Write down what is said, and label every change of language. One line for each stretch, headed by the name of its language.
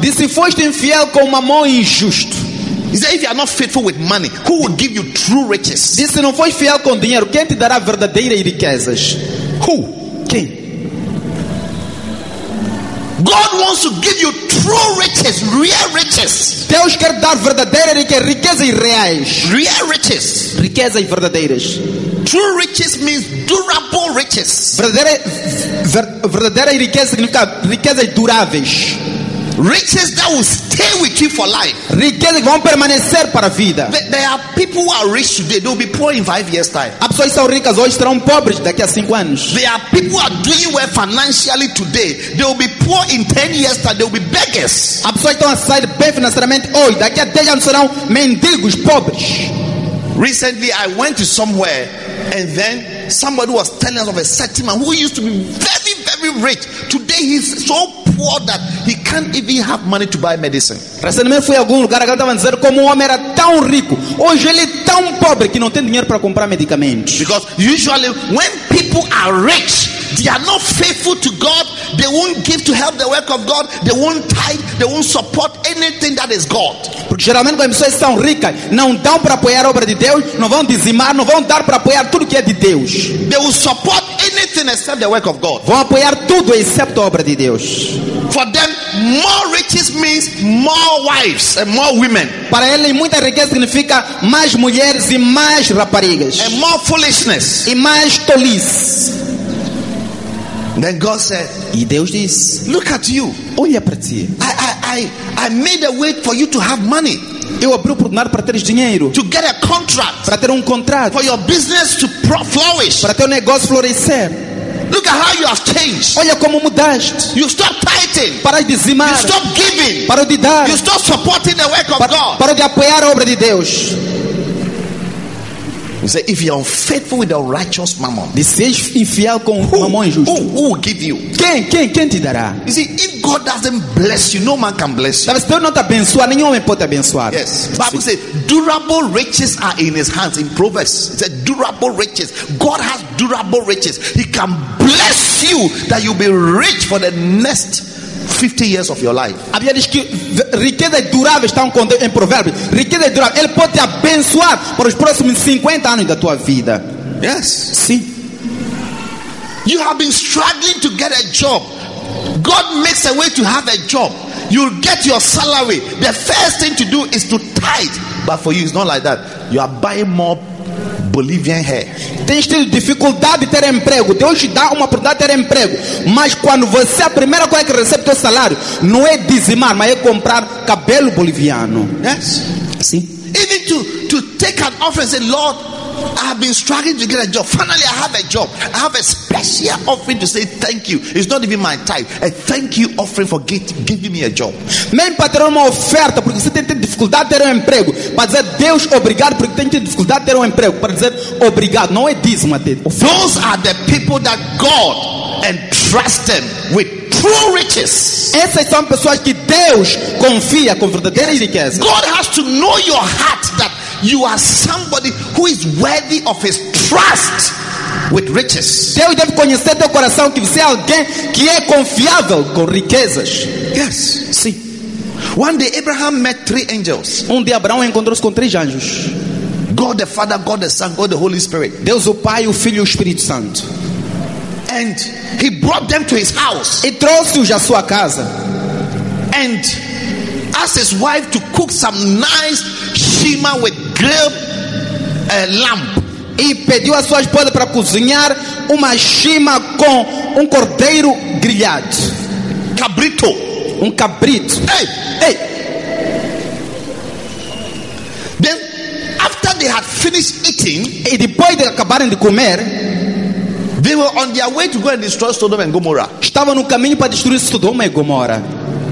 Portuguese: Disse, se foste infiel com mammon injusto.
English: He said, if you are not faithful with money, who will give you true riches?
Portuguese: Disse, não foi fiel com dinheiro, quem te dará verdadeiras riquezas?
English: Who?
Portuguese: Quem?
English: God wants to give you true riches, real riches.
Portuguese: Deus quer dar verdadeiras riquezas reais.
English: Real riches.
Portuguese: Riquezas verdadeiras.
English: True riches means durable riches.
Portuguese: Verdadeira riqueza significa riquezas duráveis.
English: Riches that will stay with you for life.
Portuguese: Riquezas que vão permanecer para a vida.
English: There are people who are rich today, they will be poor in 5 years' time.
Portuguese: As pessoas são ricas hoje serão pobres daqui a 5 anos.
English: There are people who are doing well financially today, they will be poor in 10 years' time, they will be beggars.
Portuguese: As pessoas estão a sair bem financeiramente hoje, daqui a 10 anos serão mendigos pobres.
English: Recently, I went to somewhere, and then somebody was telling us of a certain man who used to be very, very rich. Today, he's so poor that he can't even have money to buy medicine.
Portuguese: Recentemente, fui a algum lugar que estava dizendo como o homem era tão rico. Hoje ele é tão pobre que não tem dinheiro para comprar medicamentos.
English: Because usually, when people are rich, They are not faithful to God. They won't give to help the work of God. They won't tithe. They won't support anything that is God.
Portuguese: Porque geralmente as pessoas são ricas, não dão para apoiar a obra de Deus, não vão dizimar, não vão dar para apoiar tudo que é de Deus.
English: They will support anything except the work of God.
Portuguese: Vão apoiar tudo exceto a obra de Deus.
English: For them, more riches means more wives and more women.
Portuguese: Para ele, muita riqueza significa mais mulheres e mais raparigas.
English: And more foolishness.
Portuguese: E mais tolice.
English: Then God said,
Portuguese: e Deus disse,
English: look at you.
Portuguese: Olha para ti.
English: I made a way for you to have money.
Portuguese: Eu abri oportunidade para teres dinheiro.
English: To get a contract.
Portuguese: Para ter contrato.
English: For your business to flourish.
Portuguese: Para teu negócio florescer.
English: Look at how you have changed.
Portuguese: Olha como mudaste.
English: You stop tithing.
Portuguese: Para de dizimar.
English: You stop giving.
Portuguese: Para de dar.
English: You stop supporting the work of God.
Portuguese: Para de apoiar a obra de Deus.
English: He said, if you are unfaithful with the righteous mammon, who will give you?
Portuguese: Quem te dará?
English: You see, if God doesn't bless you, no man can bless you.
Portuguese: Se Deus não te abençoar, nenhum homem pode te abençoar.
English: Yes. Bible says, durable riches are in his hands. In Proverbs, it says, durable riches. God has durable riches. He can bless you that you'll be rich for the next 50 years of your life.
Portuguese: A Bíblia diz que riqueza durável está em Provérbios. Riqueza durável, ele pode te abençoar para os próximos 50 anos da tua vida.
English: Yes.
Portuguese: Sim.
English: You have been struggling to get a job. God makes a way to have a job. You'll get your salary. The first thing to do is to tithe. But for you, it's not like that. You are buying more Bolivian hair.
Portuguese: Tens tido dificuldade de ter emprego. Deus te dá uma oportunidade de ter emprego. Mas quando você, a primeira coisa que recebe teu salário, não é dizimar, mas é comprar cabelo boliviano.
English: Yes.
Portuguese: Sim.
English: Even to take an offering, say, Lord, I have been struggling to get a job. Finally, I have a job. I have a special offering to say thank you. It's not even my tithe. A thank you offering for giving me a job.
Portuguese: Mesmo para ter uma oferta, porque você tem dificuldade de ter emprego. Para dizer Deus obrigado, porque tem dificuldade de ter emprego. Para dizer obrigado, não é dízimo, é oferta.
English: Those are the people that God entrusted with true riches.
Portuguese: Essas são pessoas que Deus confia com verdadeira riqueza.
English: God has to know your heart that you are somebody who is worthy of his trust with riches.
Portuguese: Deus deve conhecer teu coração que você é alguém que é confiável com riquezas.
English: Yes.
Portuguese: Sim.
English: One day Abraham met three angels.
Portuguese: Dia Abraão encontrou-se com três anjos.
English: God the Father, God the Son, God the Holy Spirit.
Portuguese: Deus o Pai, o Filho e o Espírito Santo.
English: And he brought them to his house.
Portuguese: E trouxe-os à sua casa.
English: And asked his wife to cook some nice shima with grill lamb.
Portuguese: E pediu à sua esposa para cozinhar uma shima com cordeiro grelhado. Cabrito. Cabrito.
English: Hey. Then, after they had finished eating,
Portuguese: e depois de acabarem de comer,
English: they were on their way to go and destroy Sodom and Gomorrah.
Portuguese: Estavam no caminho para destruir Sodoma e Gomorra.